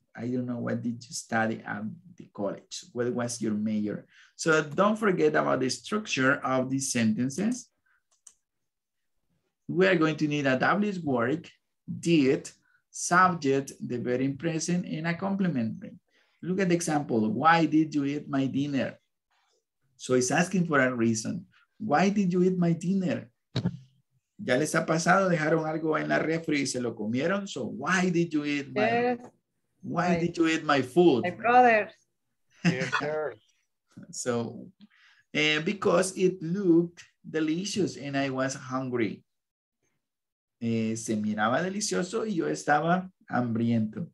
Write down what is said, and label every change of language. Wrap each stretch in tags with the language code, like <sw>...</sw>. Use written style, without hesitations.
<en>I don't know what did you study at the college. What was your major? So don't forget about the structure of these sentences. we are going to need a W's work, did, subject, the very present, and a complimentary. Look at the example, why did you eat my dinner? So it's asking for a reason. Why did you eat my dinner?</en> <es>Ya les ha pasado, dejaron algo en la refri y se lo comieron.</es> <en>So why did you eat my, yes, why did you eat my food? My brother. Yes, sir. So, because it looked delicious and I was hungry.</en> <es>Se miraba delicioso y yo estaba hambriento.</es>